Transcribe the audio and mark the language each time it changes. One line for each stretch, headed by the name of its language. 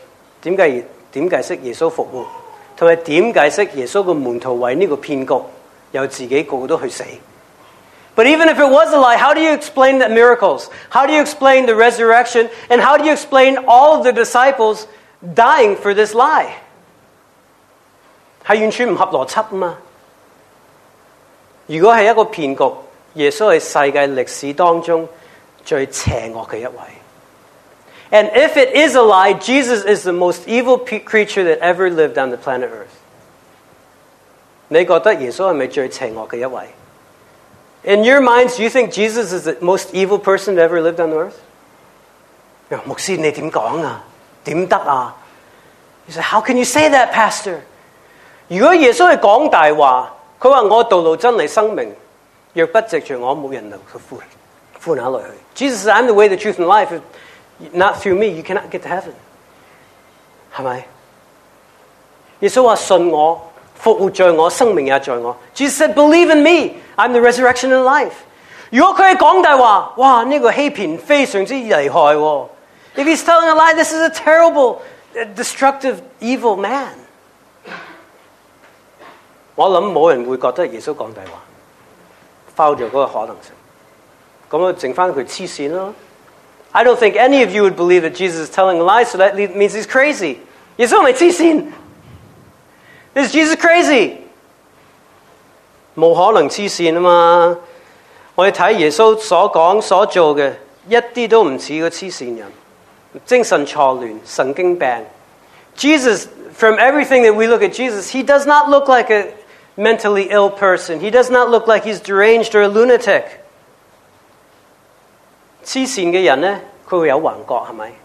Chinese: 但如果是呢,怎么解释神迹,怎么解释耶稣复活, 还有怎么解释耶稣的门徒为这个骗局,又自己个个都去死。
English: But even if it was a lie, how do you explain the miracles? How do you explain the resurrection? And how do you explain all of the disciples dying for this lie?
Chinese: 是完全不合逻辑吗? 如果是一个骗局, 耶稣是世界历史当中最邪恶的一位。
English: And if it is a lie, Jesus is the most evil creature that ever lived on the planet Earth.
Chinese: 你觉得耶稣是不是最邪恶的一位?
English: In your minds, do you think Jesus is the most evil person that ever lived on the earth?
Chinese: 牧师,你怎么说啊?怎么得啊?
English: He said, how can you say that, pastor?
Chinese: 如果耶稣是说大话, 他说我道路真理生命, 若不藉着我,没人能复活哪里去。
English: Jesus said, I'm the way, the truth, and the life. If not through me, you cannot get to heaven.
Chinese: 是不是? 耶稣说信我, 复活在我,生命也在我。
English: Jesus said, believe in me. I'm the resurrection and life.
Chinese: 如果他是说大话, 哇,这个欺骗非常之厉害哦。
English: If he's telling a lie, this is a terrible, destructive, evil man.
Chinese: 我想没人会觉得耶稣说大话, 否决那个可能性, 那就剩下他痴线咯。
English: I don't think any of you would believe that Jesus is telling a lie, so that means he's crazy.
Chinese: 耶稣是痴线。
English: Is Jesus crazy?
Chinese: 不可能痴线嘛。我们看耶稣所说所做的, 一点都不像个痴线人, 精神错乱, 神经病。
English: Jesus, from everything that we look at Jesus, he does not look like a mentally ill person. He does not look like he's deranged or a lunatic.
Chinese: 痴线的人呢, 他会有幻觉是吗?